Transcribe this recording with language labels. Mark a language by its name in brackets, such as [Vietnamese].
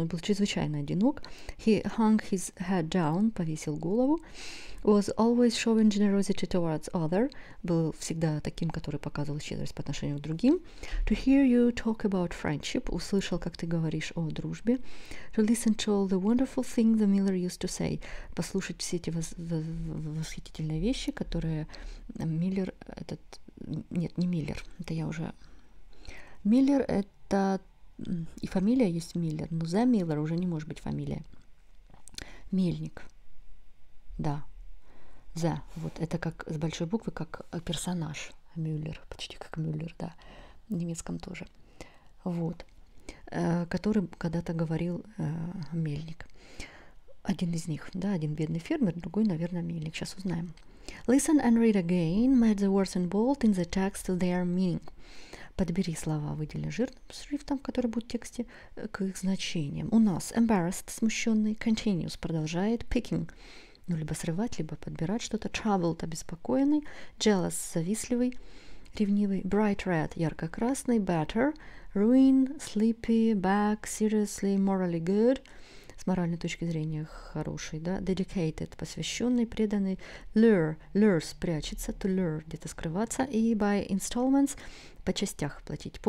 [Russian] Он был чрезвычайно одинок. [English] He hung his head down. [Russian] Повесил голову. [English] Was always showing generosity towards others. [Russian] Был всегда таким, который показывал щедрость по отношению к другим. [English] To hear you talk about friendship. [Russian] Услышал, как ты говоришь о дружбе. [English] To listen to all the wonderful things the Miller used to say. [Russian] Послушать все эти восхитительные вещи, которые Миллер этот... Нет, не Миллер. Это я уже... Миллер это... И фамилия есть Миллер. Но за Миллер уже не может быть фамилия. Мельник. Да. The, вот это как с большой буквы, как персонаж Мюллер, почти как Мюллер, да, в немецком тоже, вот, который когда-то говорил Мельник. Один из них, да, один бедный фермер, другой, наверное, мельник. Сейчас узнаем. [English] Listen and read again, match the words in bold in the text to their meaning. [Russian] Подбери слова, выдели жирным шрифтом, который будет в тексте, к их значениям. У нас embarrassed, смущенный, continues, продолжает, picking, ну, либо срывать, либо подбирать что-то, troubled, обеспокоенный, jealous, завистливый, ревнивый, [English] bright red, [Russian] ярко-красный, better, ruin, sleepy, back, seriously, [English] morally good, [Russian] с моральной точки зрения хороший, да, dedicated, посвященный, преданный, lure, спрячется, to lure, где-то скрываться, и [English] by installments, [Russian] по частях платить.